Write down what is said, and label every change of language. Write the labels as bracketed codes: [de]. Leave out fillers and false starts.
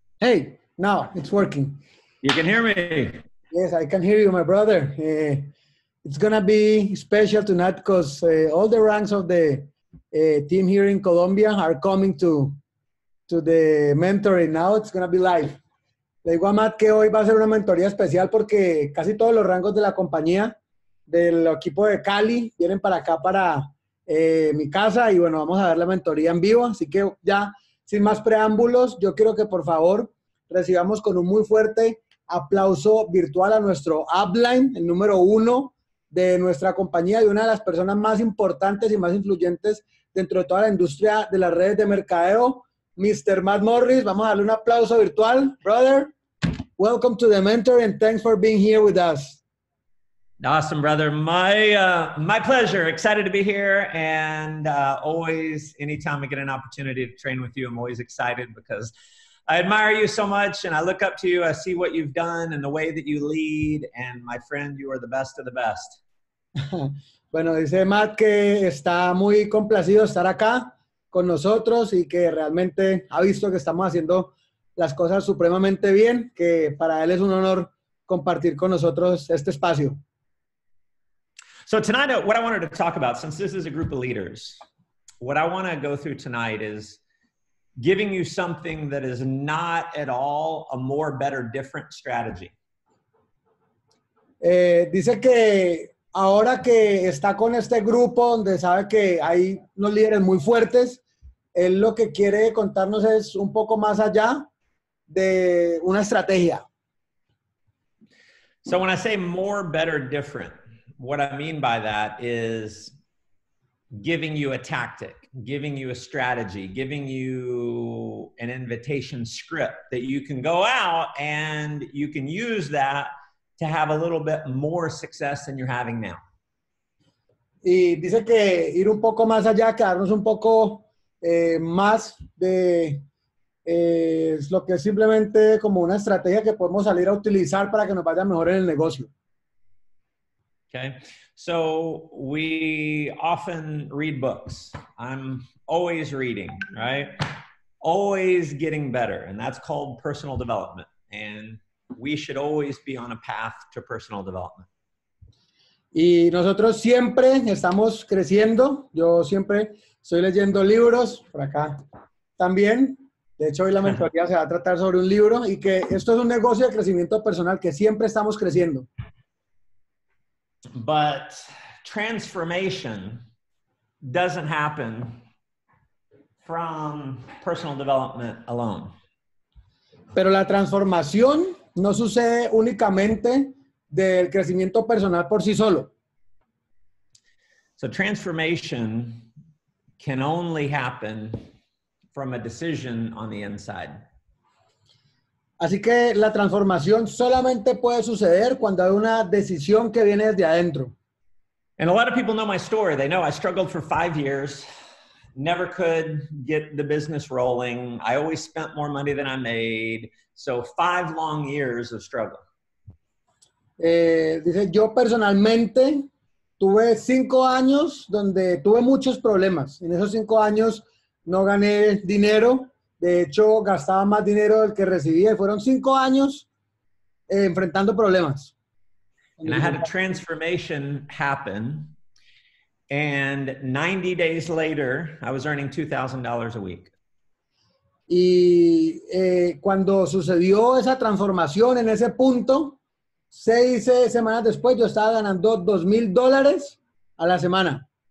[en] Hey, now it's working. You can hear me. Yes, I can hear you, my brother. It's gonna be special tonight because all the ranks of the team here in Colombia are coming to the mentoring. Now it's gonna be live. [es] Le digo a Matt que hoy va a ser una mentoría especial porque casi todos los rangos de la compañía del equipo de Cali vienen para acá, para mi casa, y bueno, vamos a dar la mentoría en vivo. Así que ya, sin más preámbulos, yo quiero que por favor recibamos con un muy fuerte aplauso virtual a nuestro upline, el número uno de nuestra compañía y una de las personas más importantes y más influyentes dentro de toda la industria de las redes de mercadeo, Mr. Matt Morris. Vamos a darle un aplauso virtual. [en] Brother, welcome to the mentor and thanks for being here with us. Awesome, brother. My pleasure. Excited to be here. And always, anytime I get an opportunity to train with you, I'm always excited because I admire you so much and I look up to you. I see what you've done and the way that you lead. And my friend, you are the best of the best. [es] Bueno, dice Matt que está muy complacido de estar acá con nosotros y que realmente ha visto que estamos haciendo las cosas supremamente bien, que para él es un honor compartir con nosotros este espacio. [en] So tonight, what I wanted to talk about, since this is a group of leaders, what I want to go through tonight is giving you something that is not at all a more, better, different strategy. [es] Dice que ahora que está con este grupo donde sabe que hay unos líderes muy fuertes, él lo que quiere contarnos es un poco más allá de una estrategia. [en] So when I say more, better, different, what I mean by that is giving you a tactic, giving you a strategy, giving you an invitation script that you can go out and you can use that to have a little bit more success than you're having now. [es] Y dice que ir un poco más allá, quedarnos un poco más de es lo que es simplemente como una estrategia que podemos salir a utilizar para que nos vaya mejor en el negocio. [en] Okay. So we often read books. I'm always reading, right? Always getting better. And that's called personal development. And we should always be on a path to personal development. [es] Y nosotros siempre estamos creciendo. Yo siempre estoy leyendo libros por acá también. De hecho, hoy la mentoría se va a tratar sobre un libro y que esto es un negocio de crecimiento personal, que siempre estamos creciendo. [en] But transformation doesn't happen from personal development alone. [es] Pero la transformación no sucede únicamente del crecimiento personal por sí solo. [en] So transformation can only happen from a decision on the inside. [es] Así que la transformación solamente puede suceder cuando hay una decisión que viene desde adentro. [en] And a lot of people know my story. They know I struggled for 5 years, never could get the business rolling. I always spent more money than I made. So 5 long years of struggle. [es] Dice, yo personalmente tuve 5 años donde tuve muchos problemas. En esos 5 años no gané dinero. De hecho, gastaba más dinero del que recibía. Fueron 5 años enfrentando problemas. [en] And I had a transformation happen. And 90 days later, I was earning $2,000 a week. [es] Y cuando sucedió esa transformación en ese punto, 6 semanas después, yo estaba ganando $2,000 a la semana.